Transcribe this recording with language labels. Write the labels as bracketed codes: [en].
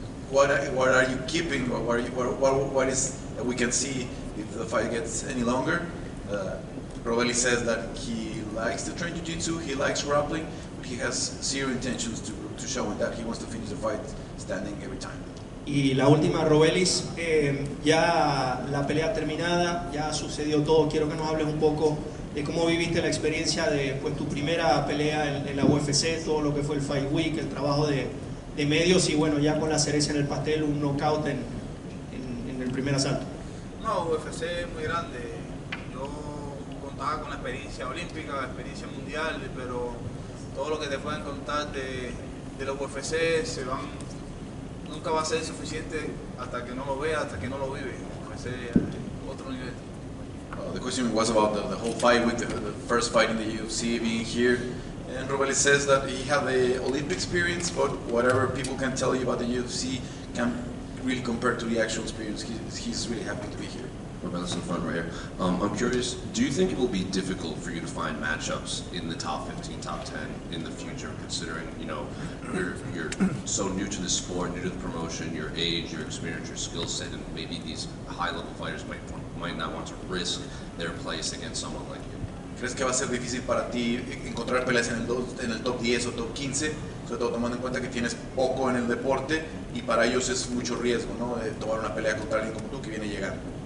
[en] What are you keeping? What is we can see if the fight gets any longer? Robelli says that he likes to train jiu-jitsu, he likes grappling, but he has zero intentions to show that he wants to finish the fight standing every time. [es] Y la última, Robelis, ya la pelea terminada, ya sucedió todo. Quiero que nos hables un poco de cómo viviste la experiencia de pues tu primera pelea en la UFC, todo lo que fue el Fight Week, el trabajo de medios y bueno, ya con la cereza en el pastel, un knockout en el primer asalto. No, UFC es muy grande. Yo contaba con la experiencia olímpica, la experiencia mundial, pero todo lo que te pueden contar de los UFC se van, nunca va a ser suficiente hasta que no lo vea, hasta que no lo vive. UFC es otro nivel. [en] The question was about the whole fight with the first fight in the UFC being here. And Robelli says that he had the Olympic experience, but whatever people can tell you about the UFC can really compare to the actual experience. He's really happy to be here. Robelli's in front right here. I'm curious, do you think it will be difficult for you to find matchups in the top 15, top 10 in the future, considering, you know, you're so new to the sport, new to the promotion, your age, your experience, your skill set, and maybe these high-level fighters might not want to risk their place against someone like you? [es] ¿Crees que va a ser difícil para ti encontrar peleas en el top 10 o top 15, sobre todo tomando en cuenta que tienes poco en el deporte y para ellos es mucho riesgo, ¿no? Tomar una pelea contra alguien como tú que viene llegando?